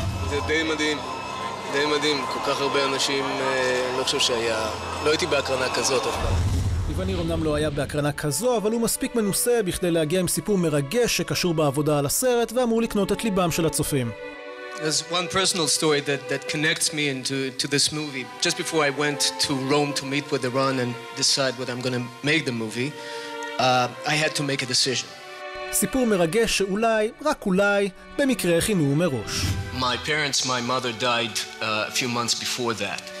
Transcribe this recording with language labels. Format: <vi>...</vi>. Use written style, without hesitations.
<he>זה די מדהים, די מדהים. כל כך הרבה אנשים, אני לא חושב שהיה... לא הייתי בהקרנה כזאת אף פעם. ניר אמנם לא היה בהקרנה כזו, אבל הוא מספיק מנוסה בכדי להגיע עם סיפור מרגש שקשור בעבודה על הסרט, ואמור לקנות את ליבם של הצופים.</he> <en>There's one personal story that connects me into this movie. Just before I went to Rome to meet with Iran and decide what I'm going to make the movie, I had to make a decision.</en> <he>סיפור מרגש שאולי, רק אולי, במקרה הכינו הוא מראש.</he> <en>My parents, my mother died a few months before that.</en>